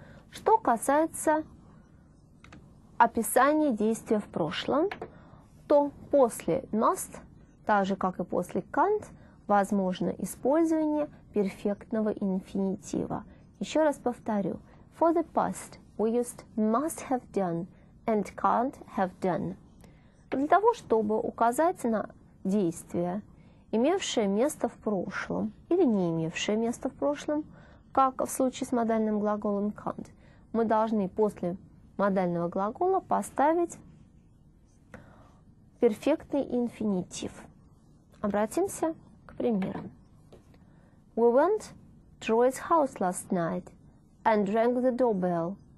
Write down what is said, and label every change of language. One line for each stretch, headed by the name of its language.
Russian: Что касается описания действия в прошлом, то после must, так же как и после can't, возможно использование перфектного инфинитива. Еще раз повторю.
English: For the past we used must have done and can't have done.
Russian: Для того, чтобы указать на действие, имевшее место в прошлом или не имевшее место в прошлом, как в случае с модальным глаголом can't, мы должны после модального глагола поставить перфектный инфинитив. Обратимся к примеру.
English: We went to Roy's house last night and rang the doorbell.